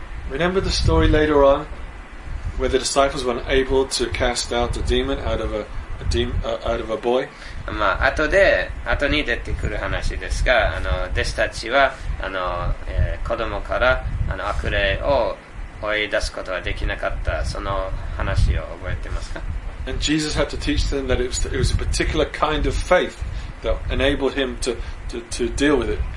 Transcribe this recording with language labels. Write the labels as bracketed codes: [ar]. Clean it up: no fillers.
[en] Remember the story later on where the disciples were unable to cast out the demon out of a boy? [ja] まあ、後に出てくる話ですが、弟子たちは子供から悪霊を追い出すことができなかった、その話を覚えてますか？ [en] And Jesus had to teach them that it was a particular kind of faith that enabled him to deal with it.